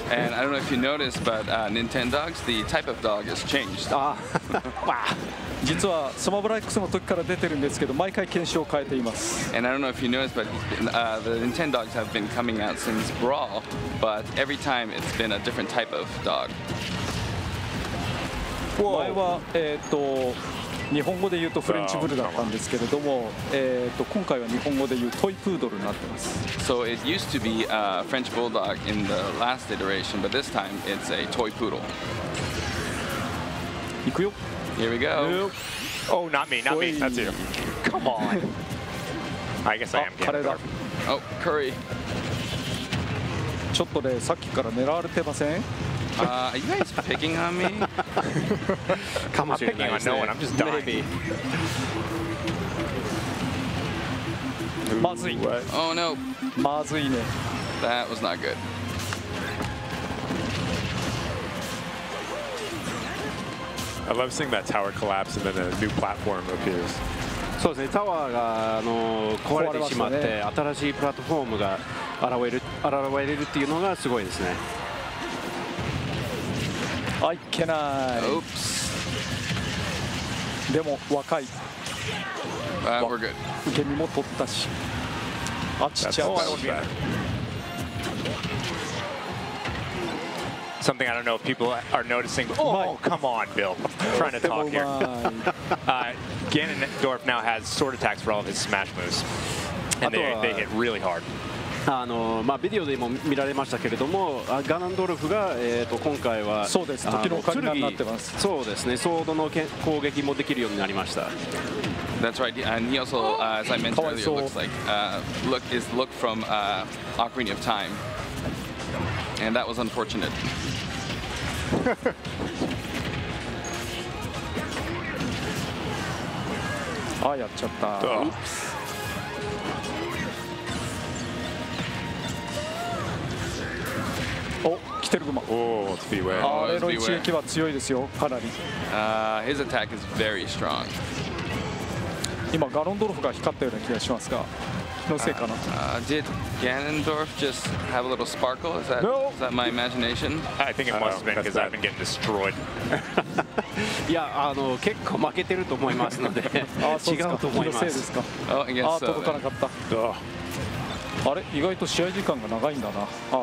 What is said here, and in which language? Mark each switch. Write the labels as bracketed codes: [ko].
[en] And I don't know if you noticed, but Nintendogs, the type of dog has changed. [ja] 実は、スマブラ X の時から出てるんですけど、毎回犬種を変えています。 [en] And I don't know if you noticed, but the Nintendogs have been coming out since Brawl, but every time it's been a different type of dog. [ja] 前は、日本語で言うとフレンチブルだったんですけれども、今回は日本語で言うトイプードルになってます。 [en] So it used to be a French bulldog in the last iteration, but this time it's a toy poodle. [ja] 行くよ。 [en] Here we go. Nope. Oh, not me, not me. That's you. Come on. I guess I am Ganondorf. Oh, curry. [ja] ちょっとね、さっきから狙われてません? [en] Are you guys picking on me? Come on, picking on no one. I'm just dying. Maybe. [ja] Mazui. [en] Oh, no. [ja] Mazui ne. [en] That was not good. I love seeing that tower collapse and then a new platform appears. [ja] そうですね、タワーが壊れてしまって、新しいプラットフォームが現れるっていうのがすごいですね。 [en] I cannot. Oops. [ja] でも若い。 [en] We're good. [ja] 受け身も取ったし。あっちっちゃい。 [en] Something I don't know if people are noticing. Oh, oh come on, Bill. I'm trying to talk here. Ganondorf now has sword attacks for all of his smash moves. And they hit really hard. [ja] まあ、ビデオでも見られましたけれども、ガナンドルフが、今回は、そうです、時のオカリナになってます。そうですね、ソードの攻撃もできるようになりました。 [en] That's right, and he also, as I mentioned earlier, looks like, look from Ocarina of Time. And that was unfortunate. [ja] Ah, やっちゃった. [en] Oops. [ja] Oh, 来てる熊. [en] Oh, it's beware. [ja] あれの一撃は強いですよ、かなり. [en] His attack is very strong. [ja] 今、ガロンドルフが光ったような気がしますが。 [en] Did Ganondorf just have a little sparkle? Is that, no. is that my imagination? I think it must have been because I've been getting destroyed. [ja] Yeah, 結構負けてると思いますので違うと思います。気のせいですか? [en] Oh, I guess so. [ja] 届かなかった。あれ、意外と試合時間が長いんだな。